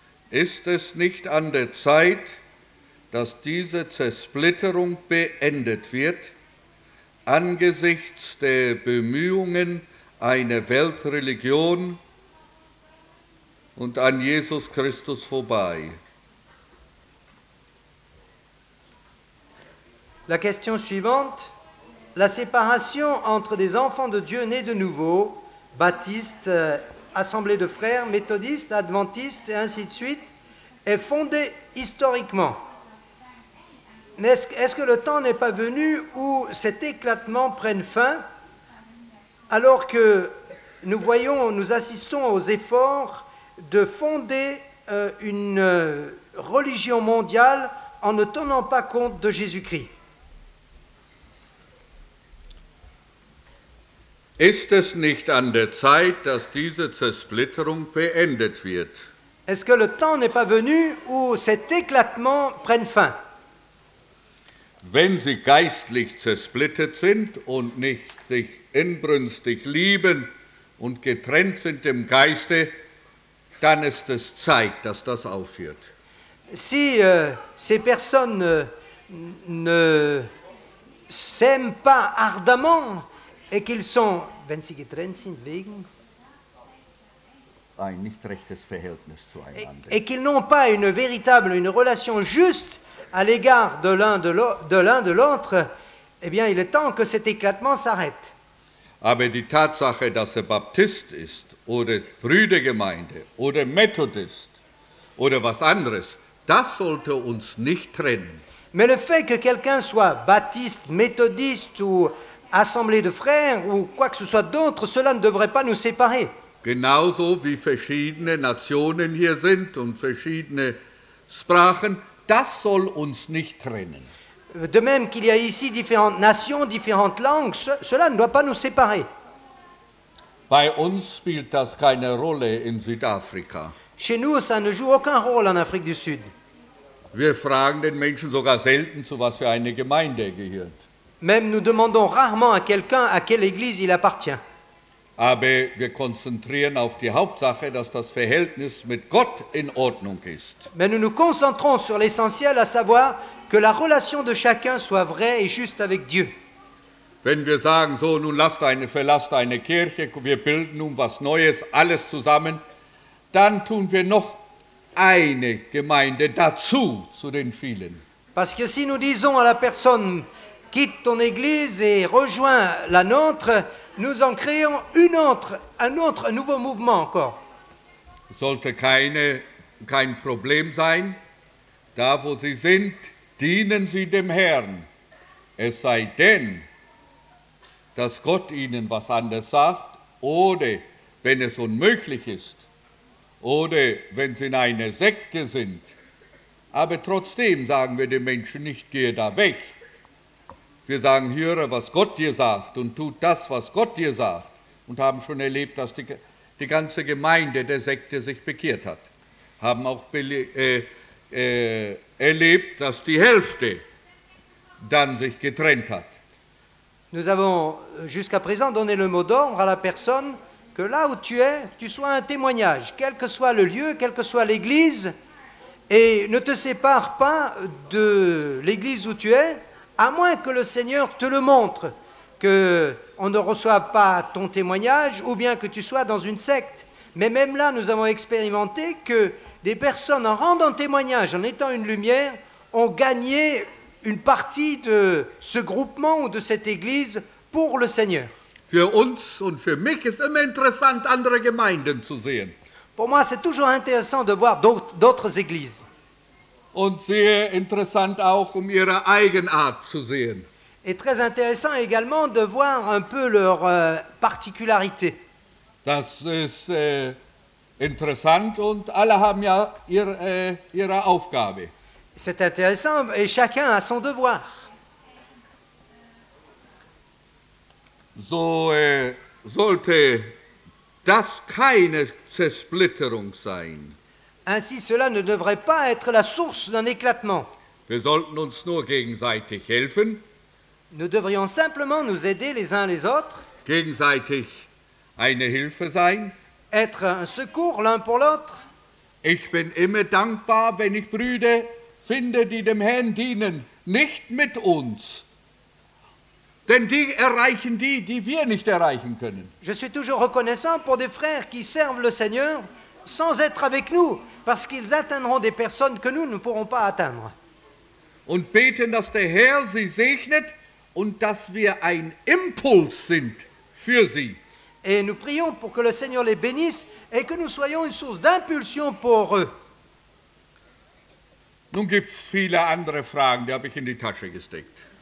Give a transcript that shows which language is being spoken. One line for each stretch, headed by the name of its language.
German: Ist es nicht an der Zeit, dass diese Zersplitterung beendet wird, angesichts der Bemühungen einer Weltreligion und an Jesus Christus vorbei?
French: La question suivante, la séparation entre des enfants de Dieu nés de nouveau, baptistes, assemblées de frères, méthodistes, adventistes et ainsi de suite, est fondée historiquement. Est-ce que le temps n'est pas venu où cet éclatement prenne fin, alors que nous voyons, nous assistons aux efforts de fonder une religion mondiale en ne tenant pas compte de Jésus-Christ?
German: Ist es nicht an der Zeit, dass diese Zersplitterung beendet wird?
French: Est-ce que le temps n'est pas venu où cet éclatement prenne fin?
German: Wenn sie geistlich zersplittert sind und nicht sich inbrünstig lieben und getrennt sind im Geiste, dann ist es Zeit, dass das aufhört.
French: Si ces personnes ne s'aiment pas ardemment et qu'ils sont,
German: wenn sie getrennt sind wegen ein nicht rechtes Verhältnis zueinander.
French: Et qu'ils n'ont pas une véritable, une relation juste à l'égard de l'un de l'autre, eh bien, il est temps que cet éclatement s'arrête.
German: Aber die Tatsache, dass Baptist ist, oder Brüdergemeinde, oder Methodist, oder was anderes, das sollte uns nicht trennen.
French: Mais le fait que quelqu'un soit baptiste, méthodiste, ou assemblée de frères, ou quoi que ce soit d'autre, cela ne devrait pas nous séparer.
German: Genauso wie verschiedene Nationen hier sind und verschiedene Sprachen, das soll uns nicht trennen.
French: De même qu'il y a ici différentes nations, différentes langues, cela ne doit pas nous séparer.
German: Bei uns spielt das keine Rolle in Südafrika.
French: Chez nous, ça ne joue aucun rôle en Afrique du Sud.
German: Wir fragen den Menschen sogar selten, zu was für eine Gemeinde er gehört.
French: Même nous demandons rarement à quelqu'un à quelle église il appartient.
German: Aber wir konzentrieren auf die Hauptsache, dass das Verhältnis mit Gott in Ordnung ist.
French: Mais nous nous concentrons sur l'essentiel, à savoir que la relation de chacun soit vraie et juste avec Dieu.
German: Wenn wir sagen, so nun verlasst eine Kirche, wir bilden nun was Neues, alles zusammen, dann tun wir noch eine Gemeinde dazu, zu den vielen.
French: Parce que si nous disons à la personne, quitte ton église et rejoins la nôtre, nous en créons une autre, un autre nouveau mouvement encore.
German: Sollte kein Problem sein. Da wo sie sind, dienen sie dem Herrn. Es sei denn, dass Gott ihnen was anderes sagt, oder wenn es unmöglich ist, oder wenn sie in einer Sekte sind. Aber trotzdem sagen wir den Menschen nicht, gehe da weg. Wir sagen, höre, was Gott dir sagt und tu das, was Gott dir sagt. Und haben schon erlebt, dass die ganze Gemeinde der Sekte sich bekehrt hat. Haben auch erlebt, dass die Hälfte dann sich getrennt hat.
French: Nous avons jusqu'à présent donné le mot d'ordre à la personne que là où tu es, tu sois un témoignage, quel que soit le lieu, quelle que soit l'église, et ne te sépare pas de l'église où tu es, à moins que le Seigneur te le montre, qu'on ne reçoive pas ton témoignage, ou bien que tu sois dans une secte. Mais même là, nous avons expérimenté que des personnes, en rendant témoignage, en étant une lumière, ont gagné une partie de ce groupement ou de cette église pour le Seigneur.
German: Für uns und für mich ist immer interessant, andere Gemeinden zu sehen.
French: Pour moi, c'est toujours intéressant de voir d'autres églises.
German: Und sehr interessant auch, um ihre Eigenart zu sehen.
French: Et très intéressant également de voir un peu leur particularité.
German: Das ist interessant und alle haben ja ihre Aufgabe.
French: C'est intéressant et chacun a son devoir.
German: so sollte das keine Zersplitterung sein.
French: Ainsi, cela ne devrait pas être la source d'un éclatement.
German: Wir sollten uns nur gegenseitig helfen.
French: Nous devrions simplement nous aider les uns les autres.
German: Gegenseitig eine Hilfe sein.
French: Être un secours l'un pour l'autre.
German: Ich bin immer dankbar, wenn ich Brüder finde, die dem Herrn dienen, nicht mit uns. Denn die erreichen die, die wir nicht erreichen können.
French: Je suis toujours reconnaissant pour des frères qui servent le Seigneur sans être avec nous, parce qu'ils atteindront des personnes que nous ne pourrons pas atteindre.
German: Und beten, dass der Herr sie segnet und dass wir ein Impuls sind für sie.
French: Et nous prions pour que le Seigneur les bénisse et que nous soyons une source d'impulsion pour eux.
German: Nun gibt's viele andere Fragen, die habe ich in die Tasche gesteckt.